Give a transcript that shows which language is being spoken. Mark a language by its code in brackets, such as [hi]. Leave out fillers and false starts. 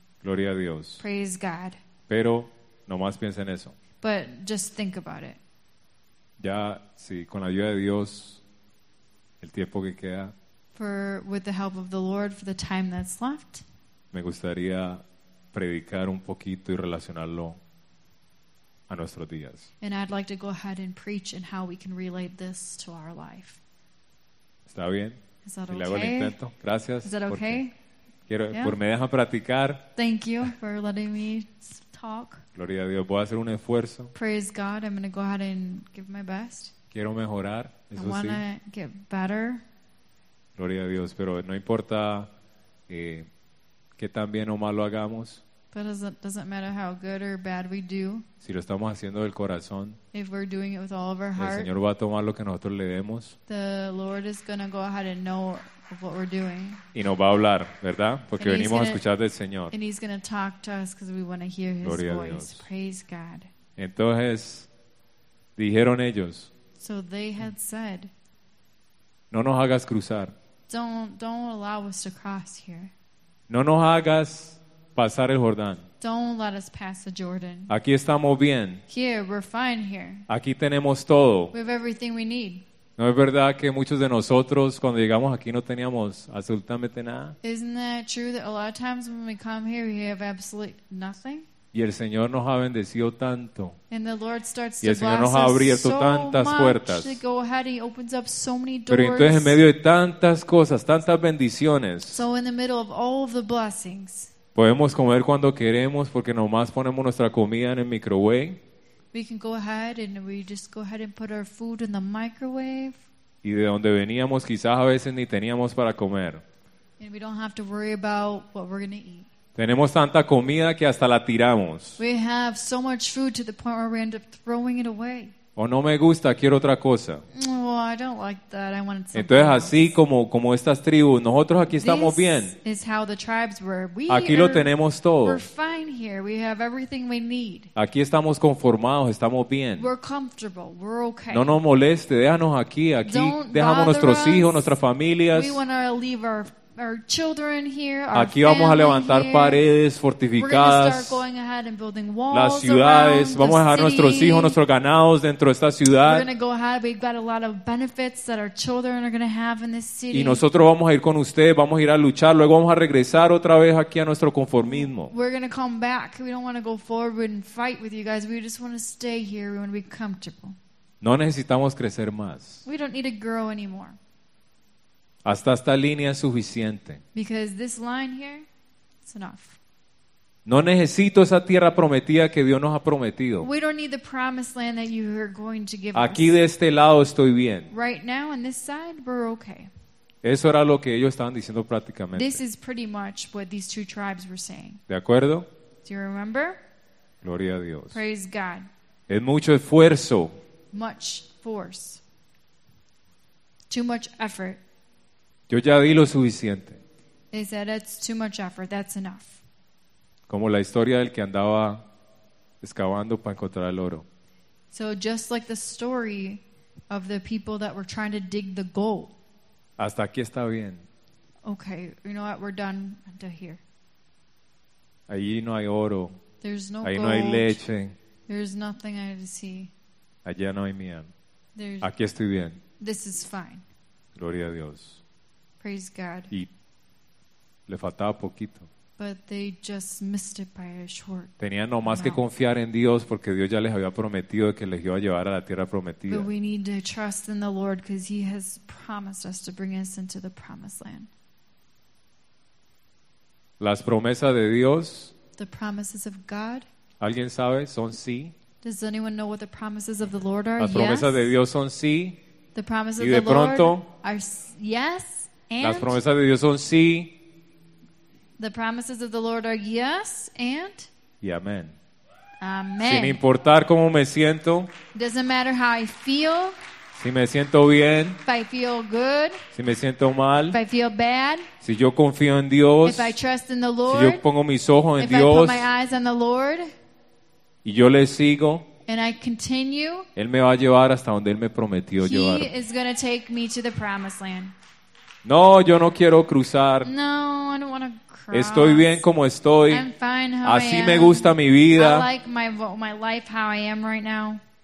[es] Gloria a Dios. [en] Praise God. [es] Pero nomás piensa en eso. [en] But just think about it. [es] Ya, sí, con la ayuda de Dios, el tiempo que queda. [en] For with the help of the Lord, for the time that's left. [es] Me gustaría predicar un poquito y relacionarlo a nuestros días. [en] And I'd like to go ahead and preach and how we can relate this to our life. [es] ¿Está bien? [en] Is that okay? [es] Le hago el intento. Gracias. [en] Is that okay? [es] Quiero, yeah. Por me deja practicar. [en] Thank you for letting me talk. [es] Gloria a Dios, voy a hacer un esfuerzo. [en] Praise God, I'm going to go ahead and give my best. [es] Quiero mejorar, eso sí. [en] I want to get better. [es] Gloria a Dios, pero no importa qué tan bien o mal lo hagamos. [en] But doesn't matter how good or bad we do. [es] Si lo estamos haciendo del corazón. [en] If we're doing it with all of our heart. [es] El Señor va a tomar lo que nosotros le demos. [en] The Lord is going to go ahead and know of what we're doing. [es] Y nos va a hablar, ¿verdad? Porque venimos a escuchar del Señor. [en] And he's going to talk to us because we want to hear his voice. [es] Gloria a Dios. [en] Praise God. [es] Entonces, dijeron ellos. [en] So they had said. [es] No nos hagas cruzar. [en] Don't allow us to cross here. [es] No nos hagas pasar el Jordán. [en] Don't let us pass the Jordan. [es] Aquí estamos bien. [en] Here, we're fine here. [es] Aquí tenemos todo. [en] We have everything we need. [es] ¿No es verdad que muchos de nosotros cuando llegamos aquí no teníamos absolutamente nada? [en] Isn't that true that a lot of times when we come here we have absolutely nothing? [es] Y el Señor nos ha bendecido tanto. [en] And the Lord starts [es] y el [en] to [es] Señor nos ha abierto [en] so [es] tantas puertas. [en] Go ahead, he opens up so many doors. [es] Pero entonces en medio de tantas cosas, tantas bendiciones. [en] So in the middle of all of the blessings. [es] Podemos comer cuando queremos porque nomás ponemos nuestra comida en el microwave. [en] We can go ahead and we just go ahead and put our food in the microwave. [es] Y de donde veníamos quizás a veces ni teníamos para comer. [en] And we don't have to worry about what we're going to eat. [es] Tenemos tanta comida que hasta la tiramos. [en] We have so much food to the point where we end up throwing it away. [es] O no me gusta, quiero otra cosa. [en] Well, I don't like that. I wanted something. [es] Entonces así como estas tribus, nosotros aquí estamos bien. [en] This is how the tribes were. We [es] aquí lo tenemos todo. [en] We're fine here. We have everything we need. [es] Aquí estamos conformados, estamos bien. [en] We're comfortable. We're okay. [es] No nos moleste, déjanos aquí. [en] Don't [es] dejamos nuestros [en] us. [es] Hijos, nuestras familias. [en] We want to leave our children here, our [es] aquí vamos a levantar [en] here. [es] Paredes fortificadas. [en] We're going ahead and building walls. [es] Las ciudades, [en] the [es] vamos a dejar [en] city. [es] Nuestros hijos, nuestros ganados dentro de esta ciudad. [en] We're going to go ahead. We've got a lot of benefits that our children are going to have in this city. [es] Y nosotros vamos a ir con ustedes, vamos a ir a luchar, luego vamos a regresar otra vez aquí a nuestro conformismo. [en] We're going to come back. We don't want to go forward and fight with you guys. We just want to stay here. We want to be comfortable. [es] No necesitamos crecer más. [en] We don't need to grow anymore. [es] Hasta esta línea es suficiente. [en] Because this line here, it's enough. [es] No necesito esa tierra prometida que Dios nos ha prometido. [en] We don't need the promised land that you are going to give [es] aquí [en] us. [es] De este lado estoy bien. [en] Right now, on this side, we're okay. [es] Eso era lo que ellos estaban diciendo prácticamente. [en] This is pretty much what these two tribes were saying. [es] ¿De acuerdo? [en] Do you remember? [es] Gloria a Dios. [en] Praise God. [es] Es mucho esfuerzo. [en] Much force. Too much effort. [es] Yo ya di lo suficiente. [en] They said, that's too much effort. That's enough. [es] Como la historia del que andaba excavando para encontrar el oro. [en] So just like the story of the people that were trying to dig the gold. [es] Hasta aquí está bien. [en] Okay, you know what? We're done until here. [es] Allí no hay oro. [en] There's no [es] ahí [en] gold. [es] No hay leche. [en] There's nothing I see. [es] Allá no hay miel. Aquí estoy bien. [en] This is fine. [es] Gloria a Dios. [en] Praise God. [es] Y le faltaba poquito. [en] But they just missed it by a short. [es] Tenían no más que confiar en Dios porque Dios ya les había prometido que les iba a llevar a la tierra prometida. [en] But we need to trust in the Lord because He has promised us to bring us into the promised land. [es] Las promesas de Dios. [en] The promises of God. [es] ¿Alguien sabe? Son sí. [en] Does anyone know what the promises of the Lord are? [es] Las promesas [en] yes. [es] de Dios son sí. [en] The promises [es] y de pronto, [en] Lord are yes. And [es] las promesas de Dios son sí. [en] The promises of the Lord are yes and [es] y amén. [en] Amen. [es] Sin importar cómo me siento. [en] Doesn't matter how I feel. [es] Si me siento bien. [en] If I feel good. [es] Si me siento mal. [en] If I feel bad. [es] Si yo confío en Dios. [en] If I trust in the Lord. [es] Si yo pongo mis ojos en Dios. [en] If I put my eyes on the Lord. [es] Y yo le sigo. [en] And I continue. [es] Él me va a llevar hasta donde Él me prometió llevar. [en] He is going to take me to the promised land. [es] No, yo no quiero cruzar. [en] No, I don't want to cross. [es] Estoy bien como estoy. [en] I'm fine how [es] así [en] I am. [es] Me gusta mi vida. [en] I like my life how I am right now.